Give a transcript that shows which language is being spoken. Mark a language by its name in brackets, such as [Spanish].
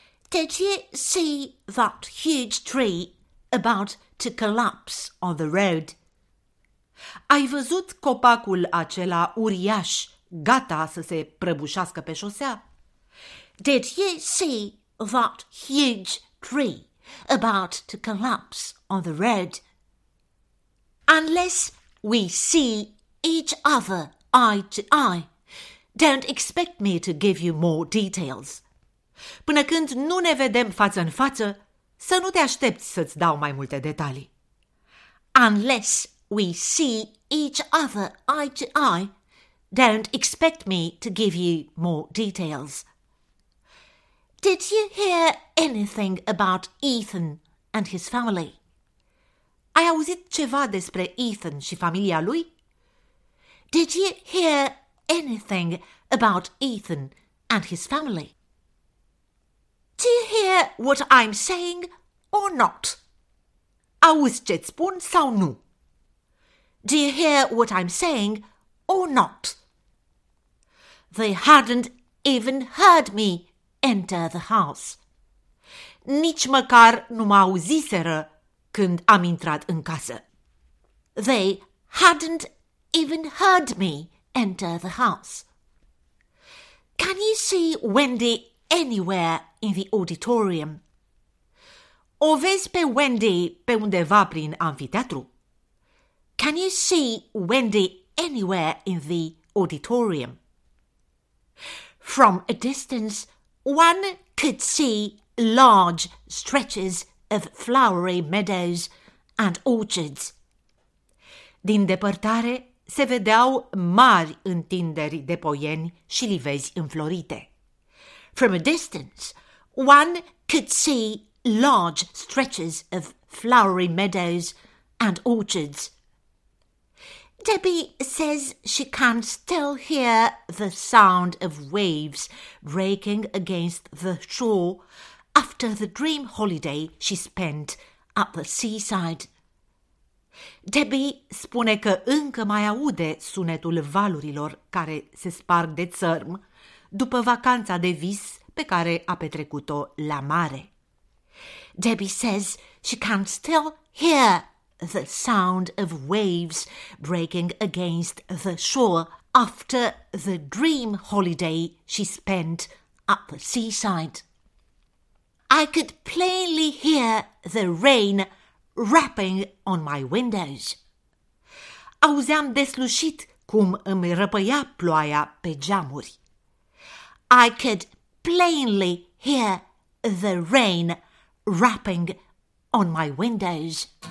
[English] Did you see that huge tree about to collapse on the road? [Romanian] Ai văzut copacul acela uriaș, gata să se prăbușească pe șosea? [English] Did you see that huge tree about to collapse on the road? Unless we see each other eye to eye, don't expect me to give you more details. [Romanian] Până când nu ne vedem față în față, să nu te aștepți să-ți dau mai multe detalii. [English] Unless we see each other eye to eye, don't expect me to give you more details. Did you hear anything about Ethan and his family? [Romanian] Ai auzit ceva despre Ethan și familia lui? [English] Did you hear anything about Ethan and his family? Do you hear what I'm saying or not? [Romanian] Auzi ce-ți spun sau nu? [English] Do you hear what I'm saying or not? They hadn't even heard me enter the house. [Romanian] Nici măcar nu mă auziseră când am intrat în casă. [English] They hadn't even heard me enter the house. Can you see Wendy anywhere in the auditorium? [Romanian] O vezi pe Wendy pe undeva prin amfiteatru? [English] Can you see Wendy anywhere in the auditorium? From a distance, one could see large stretches of flowery meadows and orchards. [Romanian] Din depărtare se vedeau mari întinderi de poieni și livezi înflorite. [English] From a distance, one could see large stretches of flowery meadows and orchards. Debbie says she can still hear the sound of waves breaking against the shore after the dream holiday she spent at the seaside. [Romanian] Debbie spune că încă mai aude sunetul valurilor care se sparg de țărm după vacanța de vis pe care a petrecut-o la mare. [English] Debbie says she can still hear the sound of waves breaking against the shore after the dream holiday she spent at the seaside. I could plainly hear the rain rapping on my windows. [Romanian] Auzeam deslușit cum îmi răpăia ploaia pe geamuri. [English] I could plainly hear the rain rapping on my windows.